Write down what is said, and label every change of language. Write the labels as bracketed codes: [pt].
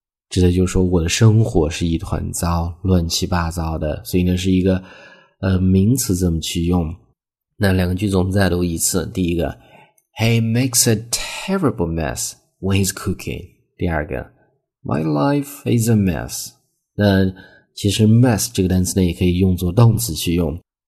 [zh] 指的就是说我的生活是一团糟，乱七八糟的。所以呢是一个名词怎么去用。那两个句子我们再读一次，第一个 [en] He makes a terrible mess when he's cooking. [zh] 第二个 [en] My life is a mess. [zh] 那其实 mess 这个单词呢也可以用作动词去用。